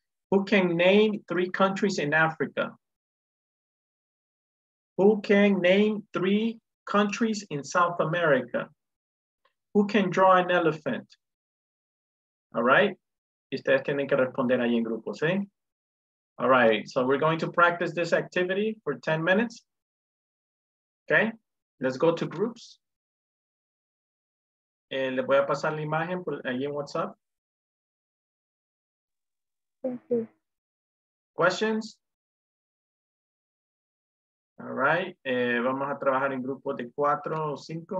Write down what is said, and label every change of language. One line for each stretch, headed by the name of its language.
English: Who can name 3 countries in Africa? Who can name 3 countries in South America? Who can draw an elephant? All right?
Spanish: Ustedes tienen que responder ahí en grupo, ¿sí?
English: All right, so we're going to practice this activity for 10 minutes. Okay, let's go to groups.
Spanish: Le voy a pasar la imagen por ahí en WhatsApp.
English: Thank you. Questions? All right.
Spanish: Vamos a trabajar en grupos de 4 o 5.